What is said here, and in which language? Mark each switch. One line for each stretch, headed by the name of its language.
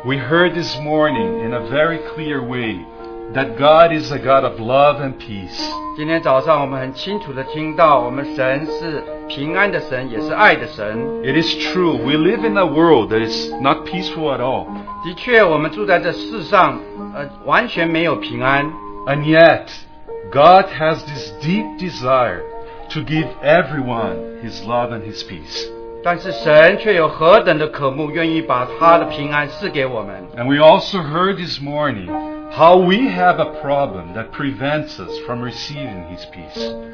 English: We heard this morning in a very clear way that God is a God of love and peace.
Chinese: 今天早上我们很清楚地听到我们神是平安的神也是爱的神
English: It is true, we live in a world that is not peaceful at all
Chinese: 的确我们住在这世上 完全没有平安
English: And yet, God has this deep desire to give everyone His love and His peace
Chinese: 但是神却有何等的渴慕 愿意把他的平安赐给我们
English: And we also heard this morning how we have a problem that prevents us from receiving His peace.